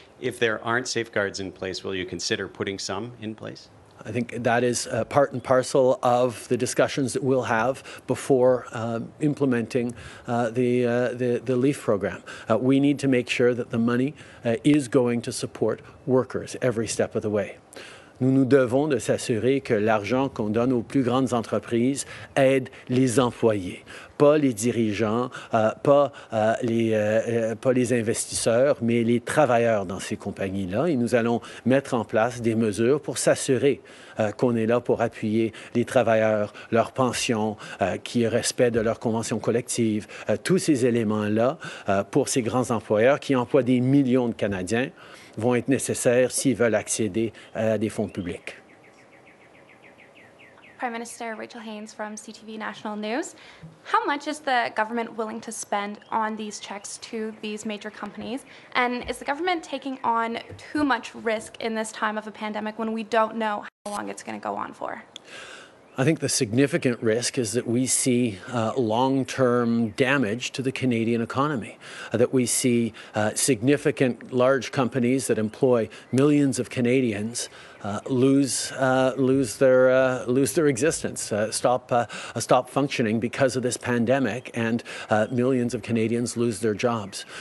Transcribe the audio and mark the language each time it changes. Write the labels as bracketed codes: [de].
[en] If there aren't safeguards in place, will you consider putting some in place? I think that is part and parcel of the discussions that we'll have before implementing the LEAF program. We need to make sure that the money is going to support workers every step of the way. [fr] Nous nous devons de s'assurer que l'argent qu'on donne aux plus grandes entreprises aide les employés, pas les dirigeants, pas les investisseurs, mais les travailleurs dans ces compagnies-là. Et nous allons mettre en place des mesures pour s'assurer qu'on est là pour appuyer les travailleurs, leurs pensions, qui est respect de leurs conventions collectives, tous ces éléments-là pour ces grands employeurs qui emploient des millions de Canadiens. Vont être nécessaires s'ils veulent accéder à des fonds publics. [en] Prime Minister Rachel Haynes from CTV National News. How much is the government willing to spend on these checks to these major companies? And is the government taking on too much risk in this time of a pandemic when we don't know how long it's going to go on for? I think the significant risk is that we see long-term damage to the Canadian economy, that we see significant large companies that employ millions of Canadians lose their existence, stop functioning because of this pandemic, and millions of Canadians lose their jobs.